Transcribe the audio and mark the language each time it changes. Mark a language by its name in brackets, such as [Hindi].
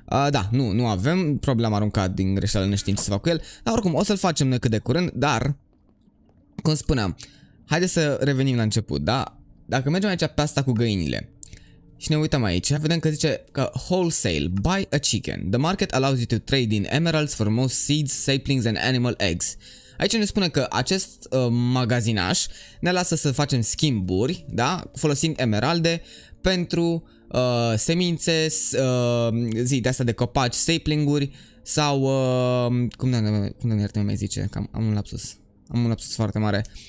[Romanian] Da, nu avem, problema aruncat din greșeală, nu știm ce să fac cu el. Dar oricum, o să-l facem noi cât de curând, dar cum spuneam, haideți să revenim la început, da? Dacă mergem aici pe asta cu găinile și ne uităm aici, vedem că zice că [English] wholesale, buy a chicken. The market allows you to trade in emeralds for most seeds, saplings and animal eggs. [Romanian] Aici ne spune că acest magazinaș ne lasă să facem schimburi, da? Folosind emeralde pentru semințe, zi de asta de copaci, sapling-uri sau cum ne-ar mai zice, am un lapsus foarte mare.